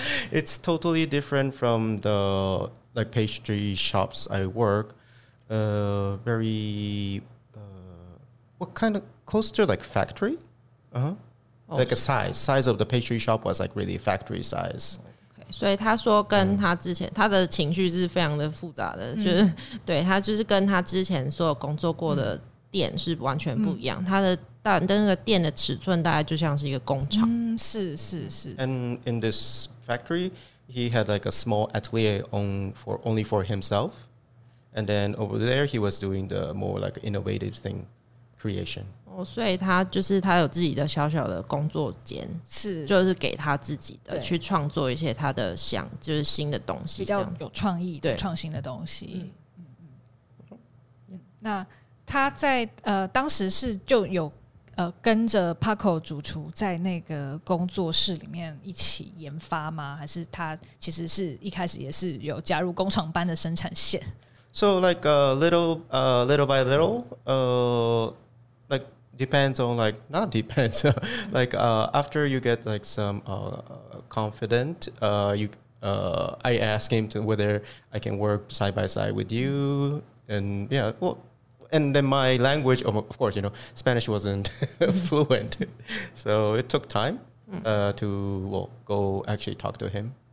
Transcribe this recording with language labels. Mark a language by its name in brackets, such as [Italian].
[English] It's totally different from the like pastry shops I work. Very, what kind of, close to like factory?、Uh-huh. Like a size of the pastry shop was like really factory size. [Chinese] 所以他说跟他之前、嗯、他的情绪是非常的复杂的、嗯、就是对他就是跟他之前所有工作过的店是完全不一样、嗯、他的但那个店的尺寸大概就像是一个工厂、嗯、是是是 [English] And in this factory he had like a small atelier only for himself and then over there he was doing the more like innovative thing creation、 [Chinese] 哦、所以他就是他有自己的小小的工作间是就是给他自己的去创作一些他的想就是新的东西比较有创意的创新的东西、嗯嗯、那他在当时是就有跟着 Paco 主厨在那个工作室里面一起研发吗还是他其实是一开始也是有加入工厂班的生产线 [English] So like little by little, like depends on like, not depends, like after you get like some confident, I ask him to whether I can work side by side with you and yeah, well, and then my language, of course, you know, Spanish wasn't fluent, so it took time go actually talk to him.